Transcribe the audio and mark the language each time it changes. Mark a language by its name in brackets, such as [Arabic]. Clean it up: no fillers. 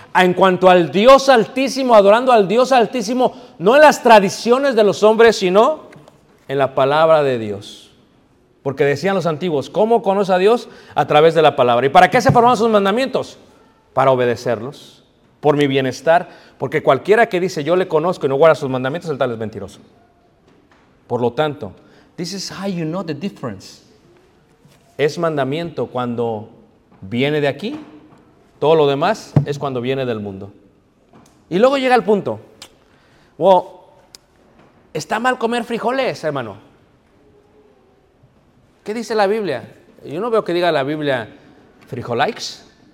[Spanish] en cuanto al Dios Altísimo, adorando al Dios Altísimo, no en las tradiciones de los hombres, sino en la palabra de Dios. Porque decían los antiguos, ¿cómo conoce a Dios? A través de la palabra. ¿Y para qué se formaron sus mandamientos? Para obedecerlos, por mi bienestar. Porque cualquiera que dice, yo le conozco y no guarda sus mandamientos, el tal es mentiroso. Por lo tanto, [English] this is how you know the difference. [Spanish] Es mandamiento cuando viene de aquí. Todo lo demás es cuando viene del mundo. Y luego llega el punto. Well, está mal comer frijoles, hermano. ¿Qué dice la Biblia? Yo no veo que diga la Biblia frijolikes.